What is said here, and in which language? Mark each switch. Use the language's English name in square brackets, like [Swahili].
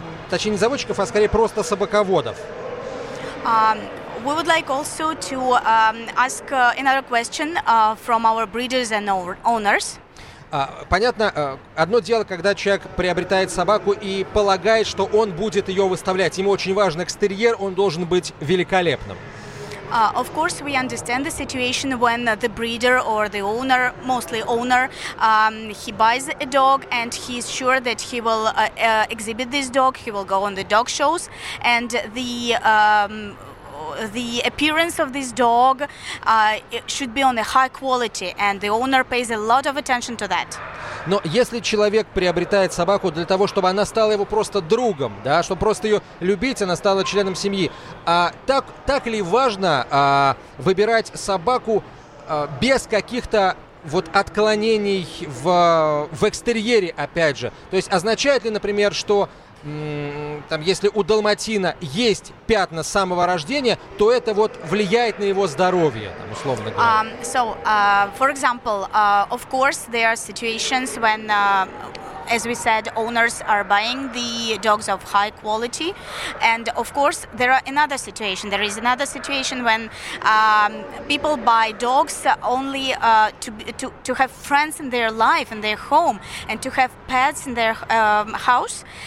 [Russian] Точнее, не заводчиков, а скорее просто собаководов. [English] We would like also to ask another question from our breeders and owners. [Russian] Понятно, одно дело, когда человек приобретает собаку и полагает, что он будет ее выставлять. Ему очень важен экстерьер, он должен быть великолепным. [English] Of course, we understand the situation when the breeder or the owner, mostly owner, he buys a dog and he is sure that he will exhibit this dog. He will go on the dog shows, and the appearance of this dog should be on a high quality, and the owner pays a lot of attention to that. [Russian] Но если человек приобретает собаку для того, чтобы она стала его просто другом, да, чтобы просто ее любить, она стала членом семьи, так ли важно выбирать собаку без каких-то вот отклонений в экстерьере, опять же? То есть означает ли, например, что там, если у далматина есть пятна с самого рождения, то это вот влияет на его здоровье, там, условно говоря. [English] For example, of course, there are situations when, as we said, owners are buying the dogs of high quality, and of course, there are another situation. There is another situation when people buy dogs only to have friends in their life, in their home, and to have pets in their house.